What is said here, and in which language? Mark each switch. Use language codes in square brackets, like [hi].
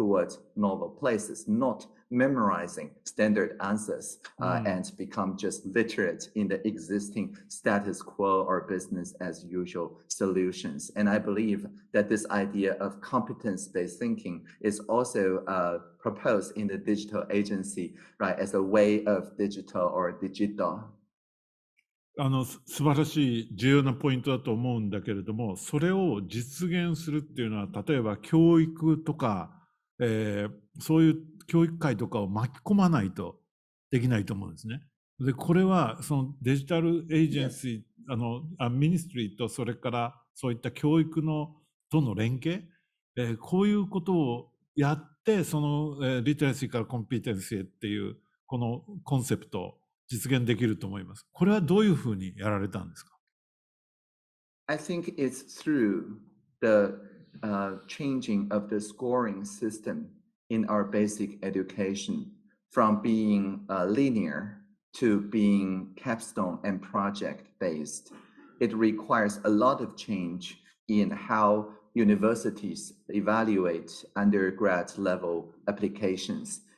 [en] towards novel places, not memorizing standard answers、and become just literate in the existing status quo or business as usual solutions. And I believe that this idea of competence-based thinking is also、proposed in the digital agency, right, as a way of digital or digital. [ja] あの素晴らしい重要なポイントだと思うんだけれども、それを実現するっていうのは、例えば教育とか、そういう教育界とかを巻き込まないとできないと思うんですね。で、これはそのデジタルエージェンシー、あのミニストリーとそれからそういった教育のとの連携、こういうことをやって、その、リテラシーからコンピテンシーへっていうこのコンセプトを実現できると思います。これはどういうふうにやられたんですか? [en] I think it's through the、changing of the scoring system in our basic education from being、linear to being capstone and project based. It requires a lot of change in how universities evaluate undergrad level applications.